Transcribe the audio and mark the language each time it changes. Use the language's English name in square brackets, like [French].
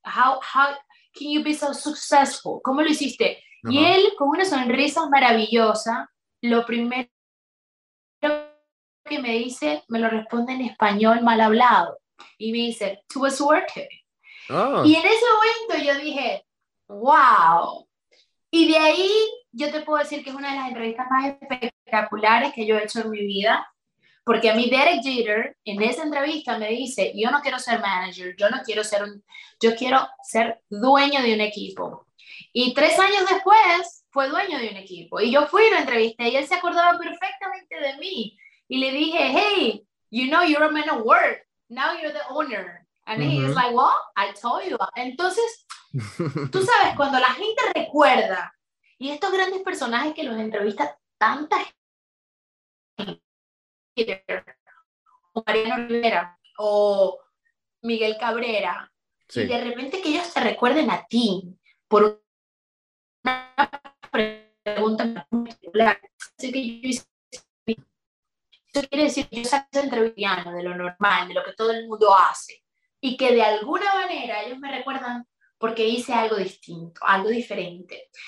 [English] How can you be so successful? [Spanish] ¿Cómo lo hiciste? Uh-huh. Y él, con una sonrisa maravillosa, lo primero que me dice, me lo responde en español mal hablado, y me dice, tú es suerte. Oh. Y en ese momento yo dije, wow. Y de ahí yo te puedo decir que es una de las entrevistas más espectaculares que yo he hecho en mi vida, porque a mí Derek Jeter en esa entrevista me dice, yo no quiero ser manager, yo quiero ser dueño de un equipo. Y 3 años después fue dueño de un equipo. Y yo fui y lo entrevisté y él se acordaba perfectamente de mí. Y le dije, [English] hey, you know you're a man of word, now you're the owner. And uh-huh. He's like, well, I told you. [Spanish] Entonces, tú sabes, cuando la gente recuerda, y estos grandes personajes que los entrevista tanta gente, o Mariano Rivera, o Miguel Cabrera, sí. Y de repente que ellos te recuerden a ti por una pregunta particular, así que yo hice, eso quiere decir que yo salí de entrevistiano, de lo normal, de lo que todo el mundo hace, y que de alguna manera ellos me recuerdan porque hice algo distinto, algo diferente.